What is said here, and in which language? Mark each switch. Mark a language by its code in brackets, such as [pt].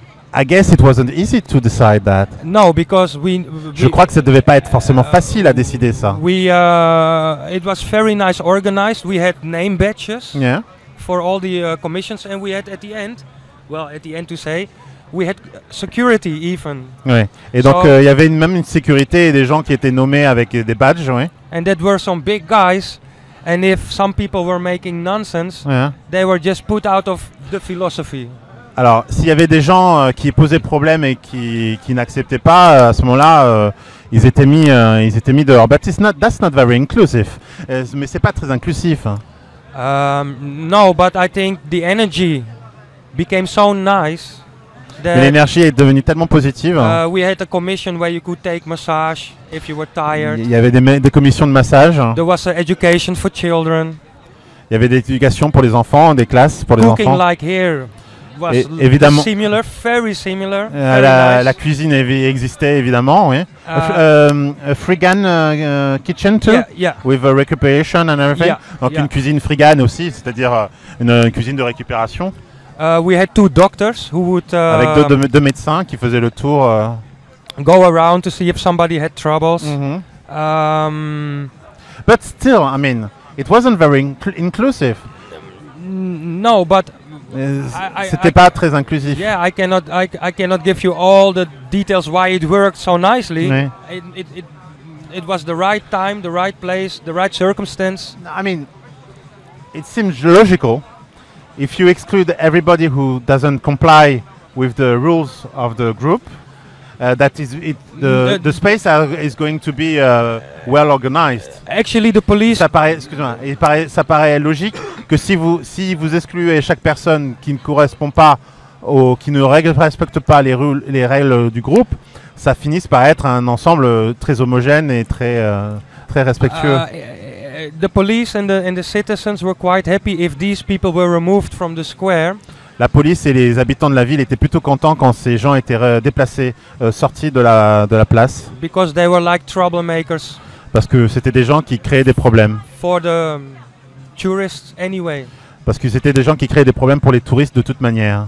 [en] I guess it wasn't easy to decide that. No, because we. [fr] Je crois que ça devait pas être forcément facile à décider ça. [en] It was very nice organized. We had name badges. Yeah. For all the commissions, and we had at the end. Well, at the end to say. We had security even. [fr] Ouais. Et donc il y avait même une sécurité et des gens qui étaient nommés avec des badges, ouais. [en] And there were some big guys, and if some people were making nonsense, they were just put out of the philosophy. [fr] Alors s'il y avait des gens qui posaient problème et qui n'acceptaient pas à ce moment-là, ils étaient mis dehors. [en] But that's not very inclusive. [fr] Mais c'est pas très inclusif. [en] No, but I think the energy became so nice. [fr] Mais l'énergie est devenue tellement positive. [en] We had a commission where you could take massage if you were tired. [fr] Il y avait des commissions de massage. [en] There was education for children. [fr] Il y avait des éducations pour les enfants, des classes pour [en] cooking [fr] les enfants. [en] Like here was [fr] évidemment [en] similar, very similar. Nice. [fr] La cuisine existait évidemment, oui. [en] Freegan kitchen too. Yeah. With a recuperation and everything. Yeah, [fr] donc [en] yeah. [fr] Une cuisine freegan aussi, c'est-à-dire une cuisine de récupération. [en] We had two doctors who would [fr] avec deux médecins qui faisaient le tour [en] go around to see if somebody had troubles. Mm-hmm. But still, I mean, it wasn't very inclusive. No, but [fr] c'était pas très inclusif. [en] Yeah, I cannot give you all the details why it worked so nicely. [fr] Mais [en] it was the right time, the right place, the right circumstance. I mean, it seems logical. If you exclude everybody who doesn't comply with the rules of the group, the space is going to be well organized. Actually, the police. [fr] Ça paraît logique que si vous excluez chaque personne qui ne correspond pas ou qui ne respecte pas les règles du groupe, ça finisse par être un ensemble très homogène et très très respectueux. [en] The police and the citizens were quite happy if these people were removed from the square. [fr] La police et les habitants de la ville étaient plutôt contents quand ces gens étaient déplacés, sortis de la place. [en] Because they were like troublemakers. [fr] Parce que c'était des gens qui créaient des problèmes. [en] For the tourists anyway. [fr] Parce que c'était des gens qui créaient des problèmes pour les touristes de toute manière.